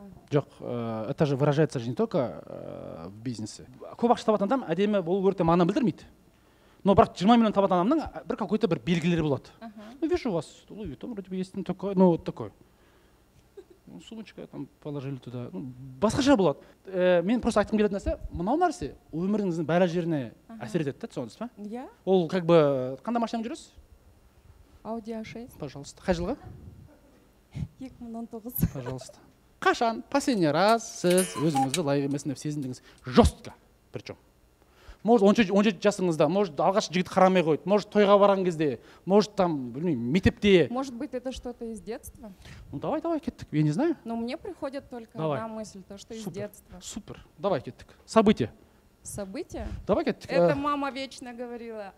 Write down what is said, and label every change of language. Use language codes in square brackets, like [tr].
[kk] Жоқ, [ru] это же выражается же не только в бизнесе. [kk] Көп ақша табатын адам әдемі болу керек деп мағына білдірмейді. Но бірақ 20 миллион табатын адамның бір [ru] какой-то [kk] бір белгілері болады. [ru] Ну, вижу у вас, Луи Том, вроде бы есть такой, ну, вот такой. Сумочка там положили туда. [kk] Ну, басқаша болады. Мен просто айтқым келетін нәрсе, мынау нәрсе өміріңіздің бәрі жеріне әсер етеді, түсіндіңіз ба? Иә. Ол [ru] как бы [kk] қандай машинамен жүресіз? Audi A6. [ru] Пожалуйста. [kk] Қай жылғы? 2019. [ru] Пожалуйста. [kk] Қашан [ru] последний раз [kk] сіз өзіңізді лайық емесін деп сезіндіңіз? [ru] Жостко. Причем. [kk] Может, 17 жасыңызда, может, алғаш жігіт қарамай қойды, может, тойға барған кезде, может, там, білмеймін, мектепте. [ru] Может быть, это что-то из детства? Ну, давай, [kk] кеттік. [ru] Я не знаю. Но мне приходит только одна мысль, то, что супер, из детства. Супер. Давай, [kk] кеттік. [ru] Событие? Давай, кеттік. Это мама вечно говорила.